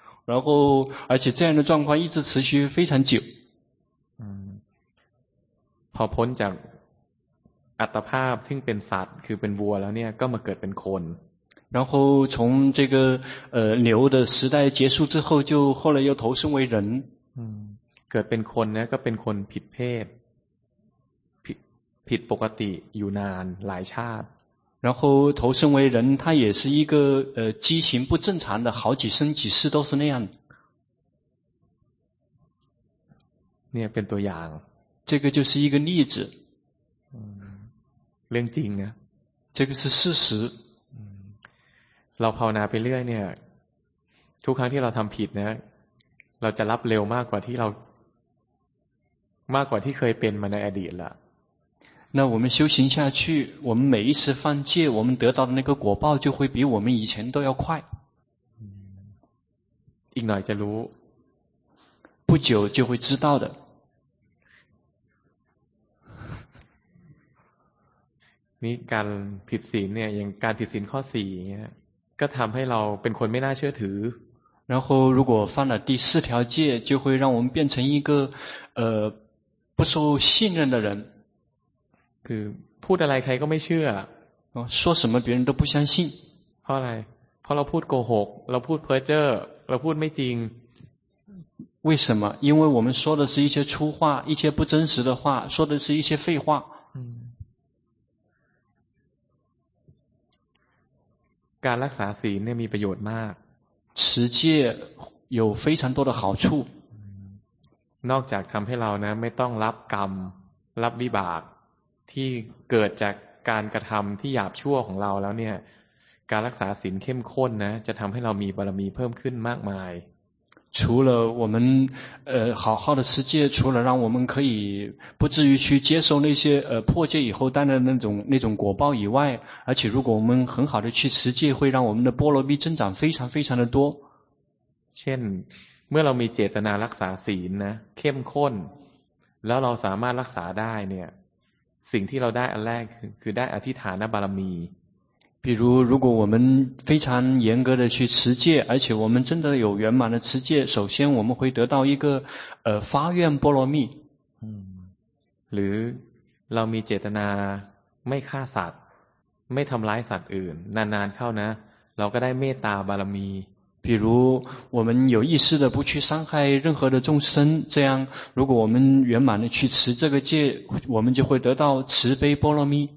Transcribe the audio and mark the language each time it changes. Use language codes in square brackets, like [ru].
[zh] 然后而且这样的状况一直持续非常久 [th] พอพ้นจากอัตภาพซึ่งเป็นสัตว์คือเป็นวัวแล้วเนี่ยก็มาเกิดเป็นคน [zh] 然后从这个牛的时代结束之后就后来又投生为人 [th] เกิดเป็นคนเนี่ยก็เป็นคนผิดเพศผิดปกติอยู่นานหลายชาติ [zh] 然后投生为人他也是一个畸形不正常的好几生几世都是那样 [th] เนี่ยเป็นตัวอย่าง [zh] 这个就是一个例子 [th] เรื่องจริงนะ [zh] 这个是事实。 [th] เราภาวนาไปเรื่อยเนี่ยทุกครั้งที่เราทำผิดนะเราจะรับเร็วมากกว่าที่เรามากกว่าที่เคยเป็นมาในอดีตละ [zh] 那我们修行下去，我们每一次犯戒，我们得到的那个果报就会比我们以前都要快。 [th] อีกหน่อยจะรู้ [zh] 不久就会知道的。 [th] นี่การผิดศีลเนี่ยอย่างการผิดศีลข้อ4เงี้ยก็ทำให้เราเป็นคนไม่น่าเชื่อถือ [zh] 然后如果犯了第四条戒就会让我们变成一个不受信任的人 [th] คือพูดอะไรใครก็ไม่เชื่ [zh] อ说什么别人都不相信 [th] เพราะอะไรเพราะเราพูดโกหกเราพูดเพ้อเจ้อเราพูดไม่จริง [zh] 为什么因为我们说的是一些粗话一些不真实的话说的是一些废话 [th] การรักษาศีลเนี่ยมีประโยชน์มาก [zh] 持戒有非常多的好处 [th] นอกจากทำให้เรานะไม่ต้องรับกรรมรับวิบากที่เกิดจากการกระทำที่หยาบชั่วของเราแล้วเนี่ยการรักษาศีลเข้มข้นนะจะทำให้เรามีบารมีเพิ่มขึ้นมากมาย [zh] 除了我们好好的持戒除了让我们可以不至于去接受那些破戒以后带来的那种果报以外而且如果我们很好的去持戒会让我们的波罗蜜增长非常非常的多 [th] เช่นเมื่อเรามีเจตนารักษาศีลนะเข้มข้นแล้วเราสามารถรักษาได้เนี่ยสิ่งที่เราได้อันแรกคือได้อธิษฐานบารมี [zh] 比如如果我们非常严格的去持戒而且我们真的有圆满的持戒首先我们会得到一个发愿波罗蜜 [th] หรือเรามีเจตนาไม่ฆ่าสัตว์ไม่ทำร้ายสัตว์อื่นนานๆเข้านะเราก็ได้เมตตาบารมี [zh] 比如我们有意识的不去伤害任何的众生这样如果我们圆满的去持这个戒我们就会得到慈悲波罗蜜